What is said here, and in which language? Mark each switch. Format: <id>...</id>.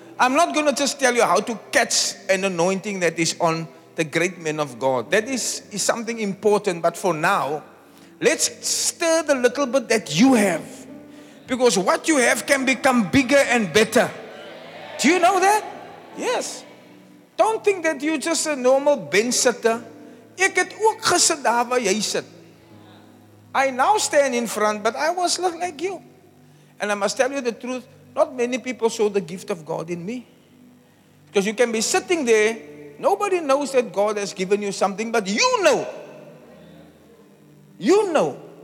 <en>I'm not going to just tell you how to catch an anointing that is on the great men of God. That is something important. But for now, let's stir the little bit that you have. Because what you have can become bigger and better. Do you know that? Yes. Don't think that you're just a normal bensitter.</en> <af>Ek het ook gesit daar waar jy sit.</af> <en>I now stand in front, but I was not like you. And I must tell you the truth, not many people saw the gift of God in me. Because you can be sitting there, nobody knows that God has given you something, but you know. You know.</en>